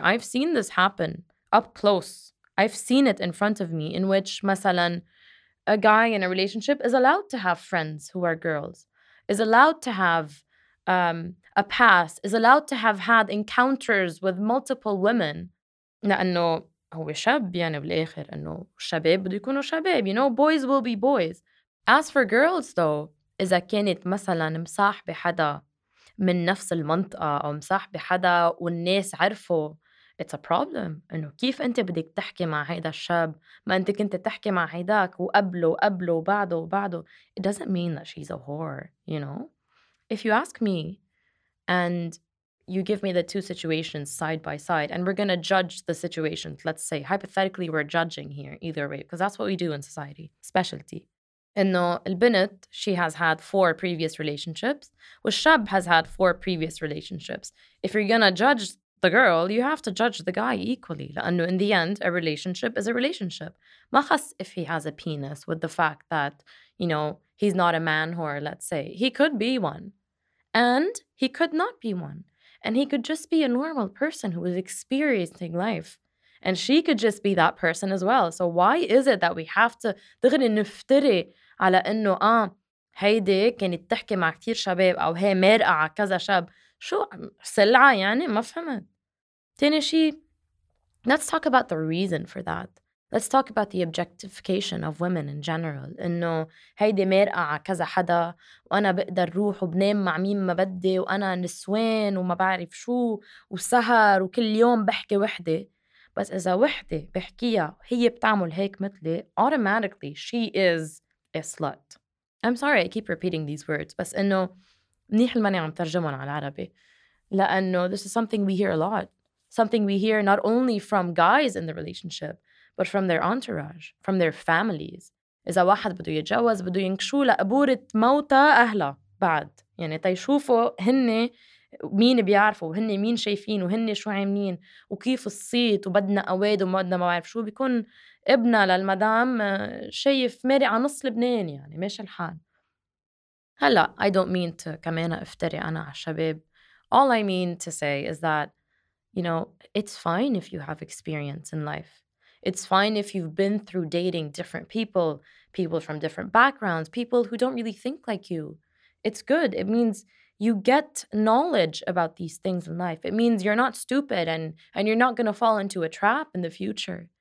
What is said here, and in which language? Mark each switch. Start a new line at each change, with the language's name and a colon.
English: I've seen this happen up close. I've seen it in front of me in which,
Arabic: مثلاً,
English: a guy in a relationship is allowed to have friends who are girls, is allowed to have a past, is allowed to have had encounters with multiple women.
Arabic: لأنه هو شاب يعني بالآخر أنه شباب بده يكونوا شباب,
English: you know, boys will be boys. As for girls though,
Arabic: إذا كانت مثلا مصاحبة حدا من نفس المنطقة أو مصاحبة حدا والناس عرفوا,
English: it's a problem.
Arabic: إنه كيف أنت بدك تحكي مع هيدا الشاب ما أنت كنت تحكي مع هيداك وقبله وقبله وبعده وبعده.
English: It doesn't mean that she's a whore, you know? If you ask me and you give me the two situations side by side and we're going to judge the situations, let's say, hypothetically, we're judging here either way because that's what we do in society, specialty.
Arabic: إنه البنت,
English: she has had four previous relationships.
Arabic: والشاب
English: has had four previous relationships. If you're going to judge the girl, you have to judge the guy equally.
Arabic: لأنه
English: in the end, a relationship is a relationship.
Arabic: ما خص
English: if he has a penis with the fact that, you know, he's not a man whore, let's say. He could be one. And he could not be one. And he could just be a normal person who is experiencing life. And she could just be that person as well. So why is it that we have to
Arabic: دغري نفتري على إنه هيدي كانت تحكي مع كتير شباب أو هي مرأة كذا شاب. شو سلعة يعني ما فهمت. تاني شي,
English: let's talk about the reason for that. let's talk about the objectification of women in general.
Arabic: إنه هيدي مرأة على كذا حدا وأنا بقدر روح وبنام مع مين ما بدي وأنا نسوان وما بعرف شو وسهر وكل يوم بحكي وحدة. بس إذا وحدة بحكيها هي بتعمل هيك مثلي,
English: automatically she is a slut. I'm sorry I keep repeating these words,
Arabic: بس إنه منيح الماني عم ترجمهم على العربي, لأنه
English: this is something we hear a lot. Something we hear not only from guys in the relationship, but from their entourage, from their families.
Arabic: إذا واحد بدو يتجوز بدو ينكشو لقبورة موتى أهله بعد, يعني تيشوفوا هن مين بيعرفوا وهن مين شايفين وهن شو عاملين وكيف الصيت وبدنا أواد وما بدنا ما بعرف شو. بيكون ابنا للمدام شايف مارق على نص لبنان, يعني ماشي الحال. هلا
English: I don't mean to
Arabic: كمان افتري أنا على الشباب.
English: All I mean to say is that, you know, it's fine if you have experience in life. It's fine if you've been through dating different people, people from different backgrounds, people who don't really think like you. It's good. It means you get knowledge about these things in life. It means you're not stupid and you're not going to fall into a trap in the future.